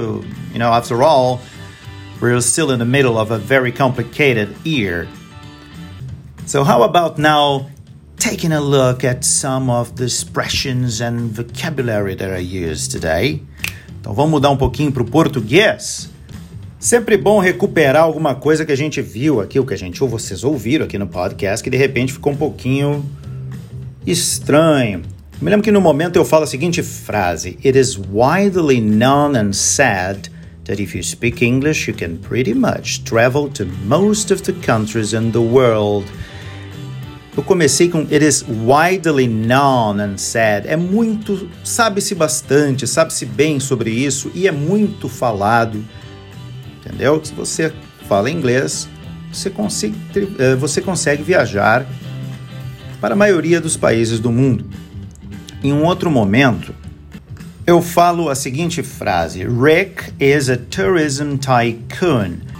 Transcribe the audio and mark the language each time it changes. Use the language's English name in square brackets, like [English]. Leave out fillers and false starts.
[English] You know, after all, we're still in the middle of a very complicated year. So how about now taking a look at some of the expressions and vocabulary that I use today? [Portuguese] Então vamos mudar um pouquinho pro português. Sempre bom recuperar alguma coisa que a gente viu aqui, ou que a gente ou vocês ouviram aqui no podcast, que de repente ficou um pouquinho estranho. Me lembro que no momento eu falo a seguinte frase: [English] It is widely known and said that if you speak English, you can pretty much travel to most of the countries in the world. [Portuguese] Eu comecei com [English] It is widely known and said. [Portuguese] É muito, sabe-se bastante, sabe-se bem sobre isso e é muito falado. Entendeu? Se você fala inglês, você consegue viajar para a maioria dos países do mundo. Em um outro momento, eu falo a seguinte frase: [English] Rick is a tourism tycoon.